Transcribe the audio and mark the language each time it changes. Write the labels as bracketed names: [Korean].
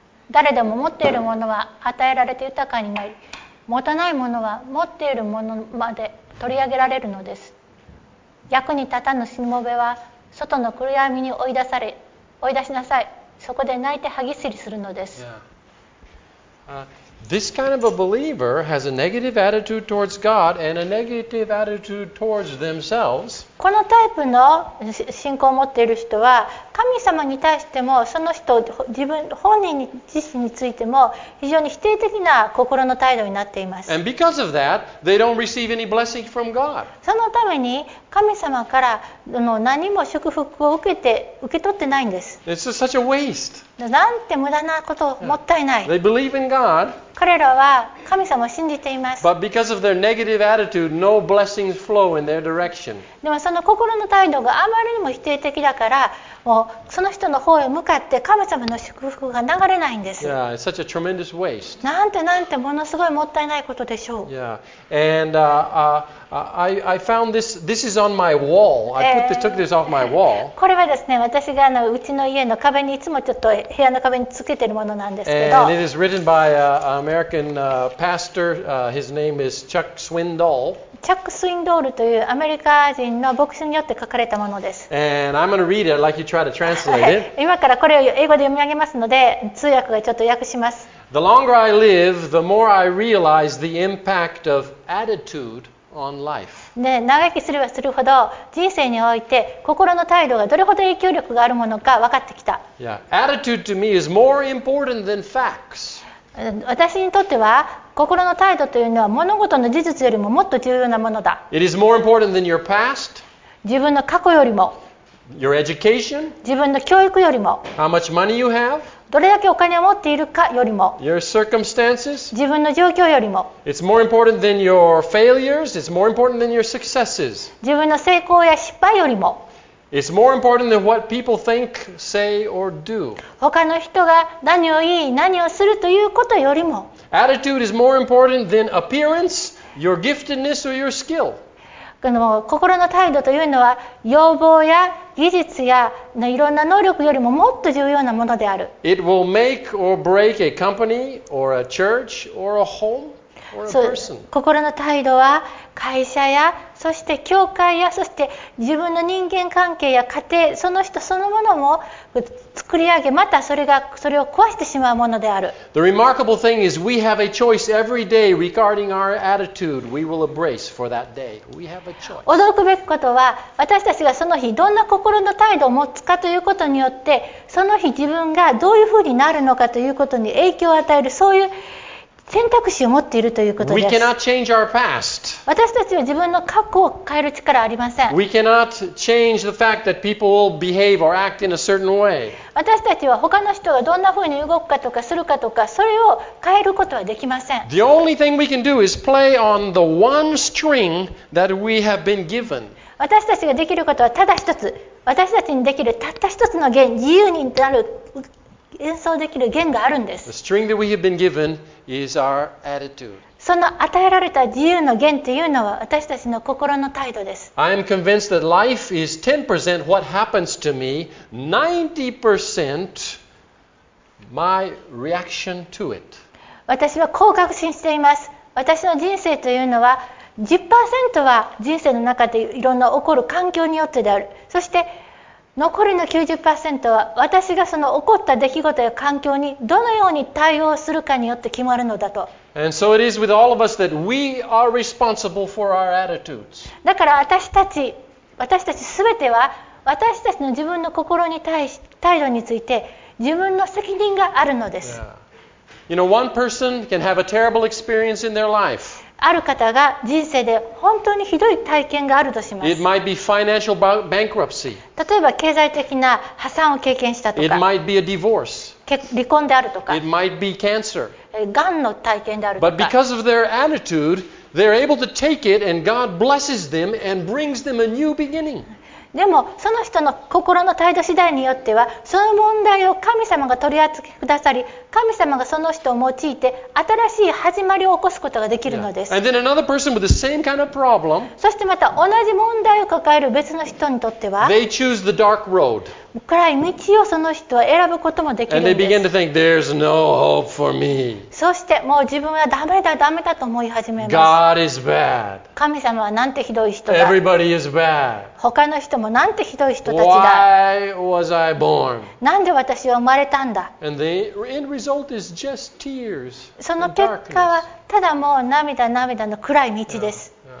[Japanese] 誰でも持っているものは与えられて豊かになり、持たないものは持っているものまで取り上げられるのです。役に立たぬしもべは外の暗闇に追い出しなさい。そこで泣いて歯ぎしりするのです。 [English] This kind of a believer has a negative attitude towards God and a negative attitude towards themselves. [Japanese] このタイプの信仰を持っている人は、神様に対しても、その人、自分本人自身についても、非常に否定的な心の態度になっています。 [English] And because of that, they don't receive any blessing from God. [Japanese] そのために、神様から何も祝福を受け取ってないんです。 [English] It's such a waste. [Japanese] なんて無駄なこと、もったいない。 [English] They believe in God. [Japanese] 彼らは神様を信じています。 [English] But because of their negative attitude, no blessings flow in their direction. [Japanese] でもその心の態度があまりにも否定的だから、もうその人の方へ向かって神様の祝福が流れないんです。 [English] Yeah, it's such a tremendous waste. [Japanese] なんてものすごいもったいないことでしょう。 [English] Yeah, and I found this. This is on my wall. I took this off my wall. [Japanese] これはですね、私がうちの家の壁にいつもちょっと部屋の壁につけてるものなんですけど。 [English] And it is written by an American pastor. His name is Chuck Swindoll. [Japanese] チャック・スウィンドールというアメリカ人の牧師によって書かれたものです。 [English] And I'm gonna read it like you try to translate it. [Japanese] 今からこれを英語で読み上げますので、通訳がちょっと訳します。 [English] The longer I live, the more I realize the impact of attitude. On life. [Japanese] で、長生きすればするほど人生において心の態度がどれほど影響力があるものか分かってきた。 [English] Yeah. Attitude to me is more important than facts. [Japanese] 私にとっては心の態度というのは物事の事実よりももっと重要なものだ。 [English] It is more important than your past. [Japanese] 自分の過去よりも [English] your education. [Japanese] 自分の教育よりも [English] how much money you have. [Japanese] どれだけお金を持っているかよりも、 [English] your circumstances, [Japanese] 自分の状況よりも、 [English] it's more important than your failures, it's more important than your successes. [Japanese] 自分の成功や失敗よりも、 [English] it's more important than what people think, say, or do. [Japanese] 他の人が何を言い、何をするということよりも、 [English] attitude is more important than appearance, your giftedness, or your skill. [Japanese] 心の態度というのは要望や技術やいろんな能力よりももっと重要なものである。 [English] It will make or break a company or a church or a home. [Japanese] 心の態度は会社やそして教会やそして自分の人間関係や家庭その人そのものも作り上げまたそれを壊してしまうものである。 [English] The remarkable thing is we have a choice every day regarding our attitude we will embrace for that day. We have a choice. [Japanese] 驚くべきことは私たちがその日どんな心の態度を持つかということによってその日自分がどういうふうになるのかということに影響を与えるそういう選択肢を持っているということです。 [English] We cannot change our past. [Japanese] 私たちは自分の過去を変える力はありません。 [English] We cannot change the fact that people will behave or act in a certain way. [Japanese] 私たちは他の人がどんなふうに動くかとかするかとかそれを変えることはできません。 [English] The only thing we can do is play on the one string that we have been given. [Japanese] 私たちができることはただ一つ。私たちにできるたった一つの弦、自由になる演奏できる弦があるんです。 [English] The string that we have been given is our attitude. [Japanese] その与えられた自由の弦というのは私たちの心の態度です。 [English] I am convinced that life is 10% what happens to me, 90% my reaction to it. [Japanese] 私はこう確信しています。私の人生というのは 10% は人生の中でいろんな起こる環境によってである。そして残りの 90% は私がその起こった出来事や環境にどのように対応するかによって決まるのだと。 [English] And so it is with all of us that we are responsible for our attitudes. [Japanese] だから私たち全ては私たちの自分の心に対し態度について自分の責任があるのです。 [English] Yeah. You know, one person can have a terrible experience in their life. [Japanese] ある方が人生で本当にひどい体験があるとします。 [English] It might be financial bankruptcy. [Japanese] 例えば経済的な破産を経験したとか。 [English] It might be a divorce. [Japanese] 離婚であるとか。 [English] It might be cancer. [Japanese] がんの体験であるとか。 [English] But because of their attitude, they're able to take it and God blesses them and brings them a new beginning. [Japanese] でもその人の心の態度次第によってはその問題を神様が取り扱ってくださり神様がその人を用いて新しい始まりを起こすことができるのです。 [English] Yeah. And then another person with the same kind of problem, [Japanese] そしてまた同じ問題を抱える別の人にとっては [English] they choose the dark road. [Japanese] 暗い道をその人は選ぶこともできるんです。 [English] And they begin to think, there's no hope for me. [Japanese] そしてもう自分はダメだダメだと思い始めます。 [English] God is bad. [Japanese] 神様はなんてひどい人だ。 [English] Everybody is bad. [Japanese] 他の人もなんてひどい人たちだ。 [English] Why was I born? [Japanese] なんで私は生まれたんだ。 [English] And the end result [Japanese] その結果はただもう涙涙の暗い道です。